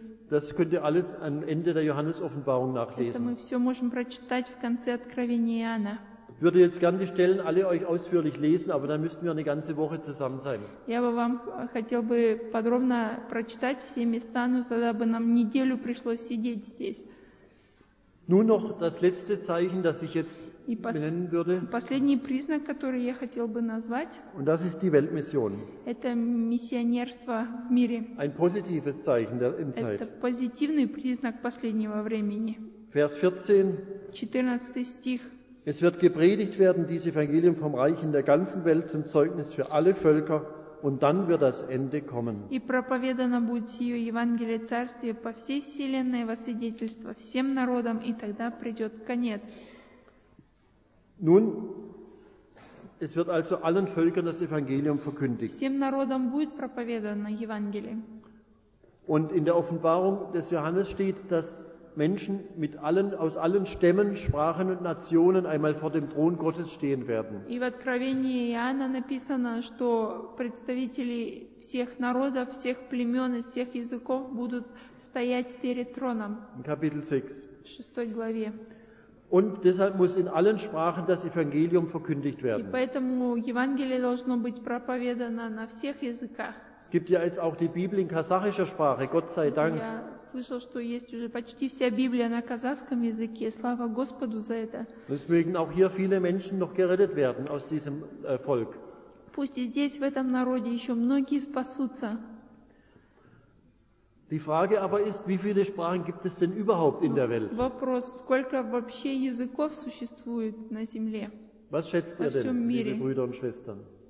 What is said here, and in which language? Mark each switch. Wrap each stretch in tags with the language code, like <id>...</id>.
<de>Das könnt ihr alles am Ende der Johannes-Offenbarung nachlesen. Ich würde jetzt gerne die Stellen alle euch ausführlich lesen, aber dann müssten wir eine ganze Woche zusammen sein.</de> <ru>Я бы вам хотел бы подробно прочитать все места, но тогда бы нам неделю пришлось сидеть здесь.</ru> <de>Nur noch das letzte Zeichen, das ich jetzt benennen würde.</de> <ru>Последний признак, который я хотел бы назвать.</ru> <de>Und das ist die Weltmission.</de> <ru>Это миссионерство в мире.</ru> <de>Ein positives Zeichen der Endzeit.</de> <ru>Это позитивный признак последнего времени.</ru> <de>Vers 14.</de> <ru>14. Стих.</ru> <de>Es wird gepredigt werden, dieses Evangelium vom Reich in der ganzen Welt zum Zeugnis für alle Völker, und dann wird das Ende kommen.</de> <ru>И проповедано будет сие Евангелие Царствия по всей вселенной во свидетельство всем народам, и тогда придет конец.</ru> <de>Nun, es wird also allen Völkern das Evangelium verkündigt.</de> <ru>Всем народам будет проповедано Евангелие.</ru> <de>Und in der Offenbarung des Johannes steht, dass Menschen mit allen, aus allen Stämmen, Sprachen und Nationen einmal vor dem Thron Gottes stehen werden.</de> <ru>И в Откровении Иоанна написано, что представители всех народов, всех племен и всех языков будут стоять перед троном.</ru> <de>In Kapitel 6.</de> <ru>В шестой главе.</ru> <de>Und deshalb muss in allen Sprachen das Evangelium verkündigt werden.</de> <ru>И поэтому Евангелие должно быть проповедано на всех языках.</ru> <de>Es gibt ja jetzt auch die Bibel in kasachischer Sprache, Gott sei Dank.</de> <ru>Я слышал, что есть уже почти вся Библия на казахском языке. Слава Господу за это.</ru> <de>Deswegen auch hier viele Menschen noch gerettet werden aus diesem Volk.</de> <ru>Пусть и здесь, в этом народе, еще многие спасутся.</ru> <de>Die Frage aber ist, wie viele Sprachen gibt es denn überhaupt in der Welt?</de> <ru>Вопрос, сколько вообще языков существует на земле?</ru> <de>Was schätzt ihr denn, liebe Brüder und Schwestern?</de>